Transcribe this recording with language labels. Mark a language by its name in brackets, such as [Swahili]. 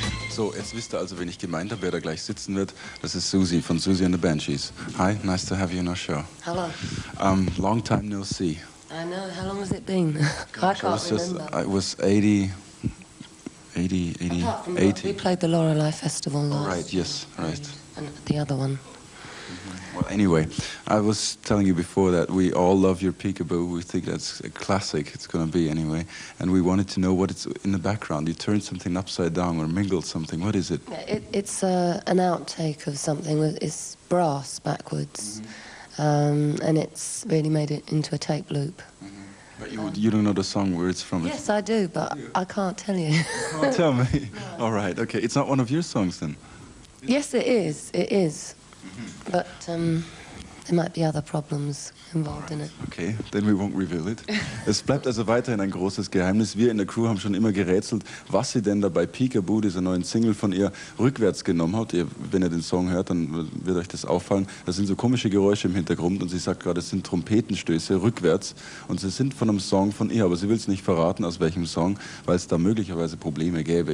[German] So, jetzt wisst ihr also, wen ich gemeint habe, wer da gleich sitzen wird. Das ist Susie von Susie and the Banshees. [English] Hi, nice to have you on our show. Hello. Long time no see. I know. How long has it been? I can't remember. It was 80. We played the Lorelei Festival last. Right. And the other one. Well, anyway, I was telling you before that we all love your peekaboo. We think that's a classic. It's going to be anyway. And we wanted to know what it's in the background. You turned something upside down or mingled something. What is it? It's an outtake of something. It's brass backwards. Mm-hmm. And it's really made it into a tape loop. Mm-hmm. But you don't know the song where it's from? Yes, I do, but yeah. I can't tell you. Tell me. No. All right, okay. It's not one of your songs then? Yes, it is. It is. But there might be other problems involved in it. Okay, then we won't reveal it. [German] Es bleibt also weiterhin ein großes Geheimnis. Wir in der Crew haben schon immer gerätselt, was sie denn da bei Peekaboo, dieser neuen Single von ihr, rückwärts genommen hat. Wenn ihr den Song hört, dann wird euch das auffallen. Da sind so komische Geräusche im Hintergrund und sie sagt gerade, es sind Trompetenstöße rückwärts. Und sie sind von einem Song von ihr, aber sie will es nicht verraten, aus welchem Song, weil es da möglicherweise Probleme gäbe.